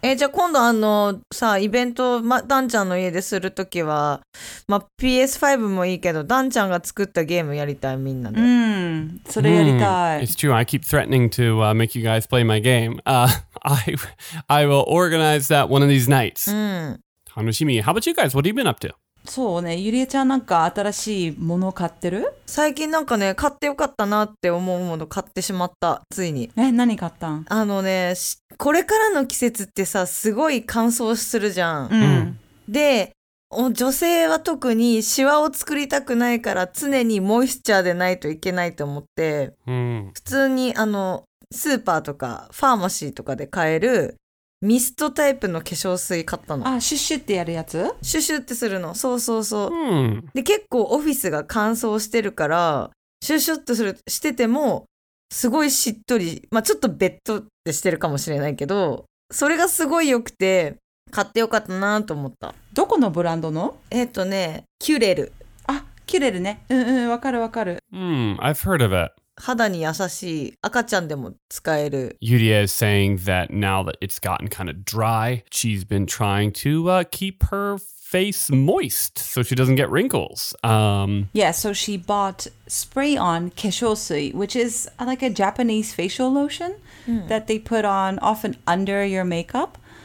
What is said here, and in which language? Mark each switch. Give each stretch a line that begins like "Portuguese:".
Japanese: じゃあ今度あの、さ、イベント、ま、ダンちゃんの家でするときは、ま、PS5 もいいけど、ダンちゃんが作ったゲームやりたい、みんなで。うん、それやりたい。
English: It's true, I keep threatening to make you guys play my game. I will organize that one of these nights.
Japanese: うん。楽しみ。
English: How about you guys? What have you been up to?
Japanese: そうね、ゆりえちゃんなんか新しいもの買ってる？最近なんかね、買ってよかったなって思うもの買ってしまった、ついに。え、何買ったん？あのね、これからの季節ってさ、すごい乾燥するじゃん。うん。で、女性は特にシワを作りたくないから常にモイスチャーでないといけないと思って、うん、普通にあの、スーパーとかファーマシーとかで買えるミストタイプの化粧水買ったの。あ、シュッシュってやるやつ？シュッシュってするの。そう。うん、で、結構オフィスが乾燥してるから、シュッシュッとする、してても、すごいしっとり、まぁ、ちょっとベッドってしてるかもしれないけど、それがすごい良くて、買ってよかったなと思った。どこのブランドの？キュレル。あ、キュレルね。わかる。
English: うん、I've heard of it.
Japanese: 肌に優しい赤ちゃんでも使える。
English: Yuria is saying that now that it's gotten kind of dry, she's been trying to keep her face moist so she doesn't get wrinkles. Yeah, so she bought spray-on 化粧水, which is like a Japanese facial lotion that they put on often under your makeup.